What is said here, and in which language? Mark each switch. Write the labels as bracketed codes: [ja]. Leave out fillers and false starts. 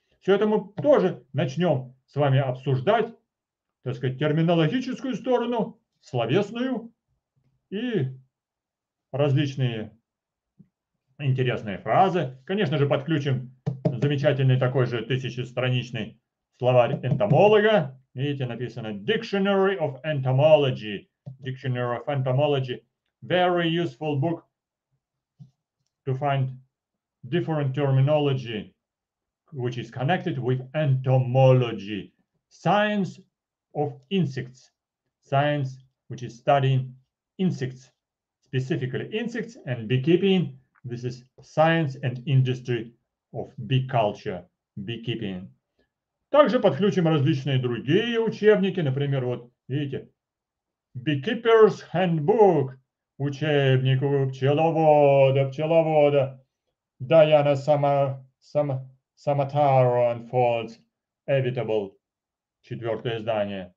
[ru] Все это мы тоже начнем с вами обсуждать, так сказать, терминологическую сторону, словесную и различные интересные фразы. Конечно же, подключим замечательный такой же тысячестраничный словарь энтомолога. Видите, написано [en] Dictionary of Entomology. Dictionary of Entomology. Very useful book to find different terminology, which is connected with entomology. Science of insects. Science, which is studying insects. Specifically insects and beekeeping. This is science and industry of bee culture. Beekeeping. [ru] Также подключим различные другие учебники. Например, вот видите, Beekeepers Handbook, учебник пчеловода. Diana Samataro Unfolds, Evitable, четвертое издание.